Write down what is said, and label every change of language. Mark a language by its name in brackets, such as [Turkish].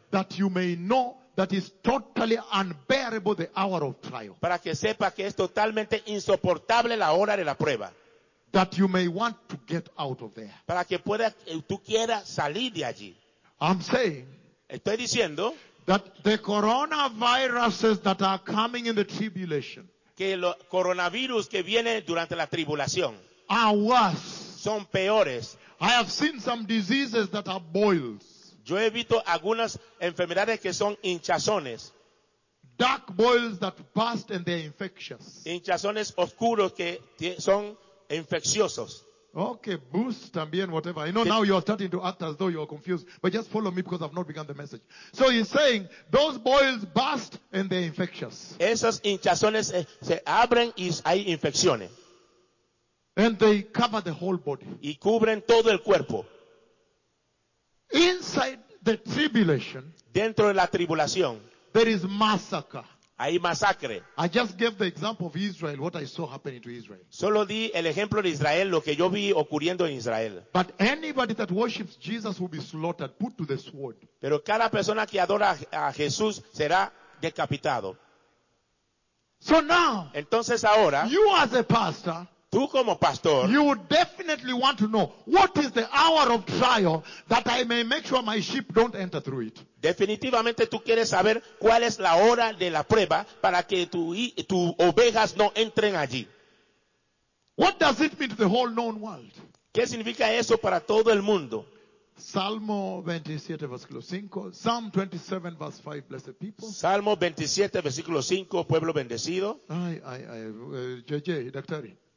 [English] That you may know that is totally unbearable the hour of trial. [Spanish] Para que sepa que es totalmente insoportable la hora de la prueba. [English] That you may want to get out of there. [Spanish] Para que pueda, tú quieras salir de allí. [English] I'm saying. [Spanish] Estoy diciendo. [English] That the coronaviruses that are coming in the tribulation. [Spanish] Que los coronavirus que vienen durante la tribulación. [English] Are worse. [Spanish] Son peores. [English] I have seen some diseases that are boils. [Spanish] Yo he visto algunas enfermedades que son hinchazones. [English] Dark boils that burst and they're infectious. [Spanish] Hinchazones oscuros que son infecciosos. [English] Okay, boost también, whatever. I know now you are starting to act as though you are confused, but just follow me because I've not begun the message. So he's saying those boils burst and they're infectious. [Spanish] Esas hinchazones se abren y hay infecciones. [English] And they cover the whole body. [Spanish] Y cubren todo el cuerpo. [English] Inside the tribulation, [Spanish] dentro de la tribulación, [English] there is massacre. [Spanish] Hay masacre. [English] I just gave the example of Israel, what I saw happening to Israel. [Spanish] Solo di el ejemplo de Israel, lo que yo vi ocurriendo en Israel. [English] But anybody that worships Jesus will be slaughtered, put to the sword. [Spanish] Pero cada persona que adora a Jesús será decapitado. [English] So now, [Spanish] entonces ahora, [English] you as a pastor. [Spanish] Tú como pastor, [English] you would definitely want to know what is the hour of trial that I may make sure my sheep don't enter through it. [Spanish] Definitivamente tú quieres saber cuál es la hora de la prueba para que tu ovejas no entren allí. [English] What does it mean to the whole known world? [Spanish] ¿Qué significa eso para todo el mundo? Salmo 27 versículo 5, [English] Psalm 27 verse 5, blessed people. [Spanish] Salmo 27 versículo 5, pueblo bendecido. Doctori.